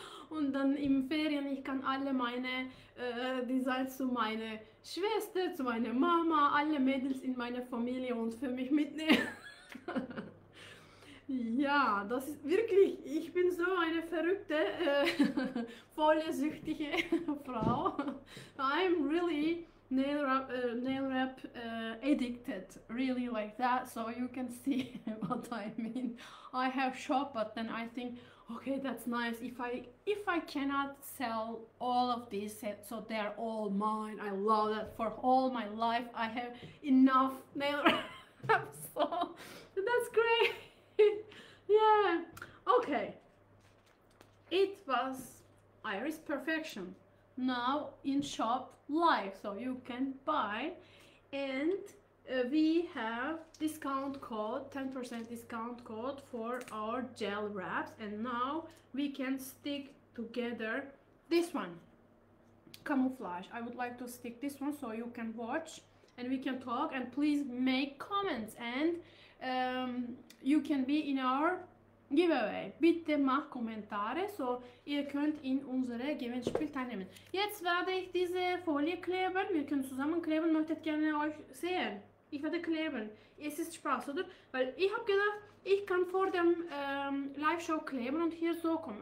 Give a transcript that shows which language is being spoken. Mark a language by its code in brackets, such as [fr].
[de] Und dann im Ferien, ich kann alle meine Designs zu meiner Schwester, zu meiner Mama, alle Mädels in meiner Familie und für mich mitnehmen. Ja, das ist wirklich, ich bin so eine verrückte, volle süchtige Frau. [en] I'm really nail wrap addicted, really like that, so you can see what I mean. I have shop, but then I think, okay, that's nice. If I cannot sell all of these, so they're all mine. I love that for all my life. I have enough nail wraps. So that's great. Yeah. Okay. It was Iris Perfection. Now in shop live, so you can buy, and we have discount code, 10% discount code for our gel wraps, and now we can stick together this one, camouflage. I would like to stick this one so you can watch and we can talk, and please make comments, and you can be in our giveaway. [de] Bitte mach Kommentare, so ihr könnt in unsere Gewinnspiel teilnehmen. Jetzt werde ich diese Folie kleben, wir können zusammen kleben, möchtet gerne euch sehen. Ich werde kleben. Es ist Spaß, oder? Weil ich habe gedacht, ich kann vor dem Live-Show kleben und hier so kommen.